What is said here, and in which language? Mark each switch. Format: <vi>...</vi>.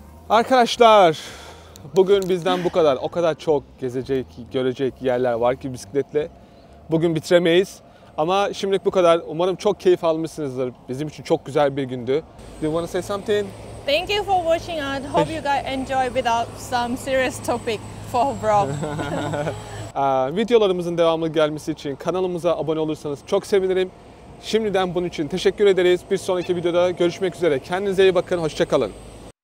<tr>Arkadaşlar, bugün bizden bu kadar. O kadar çok gezecek, görecek yerler var ki bisikletle. Bugün bitiremeyiz. Ama şimdilik bu kadar. Umarım çok keyif almışsınızdır. Bizim için çok güzel bir gündü.</tr> <en>Do you want to say something? Thank you for watching and hope you guys enjoy without some serious topic for vlog.</en> <tr>Videolarımızın devamlı gelmesi için kanalımıza abone olursanız çok sevinirim. Şimdiden bunun için teşekkür ederiz. Bir sonraki videoda görüşmek üzere. Kendinize iyi bakın. Hoşça kalın.</tr>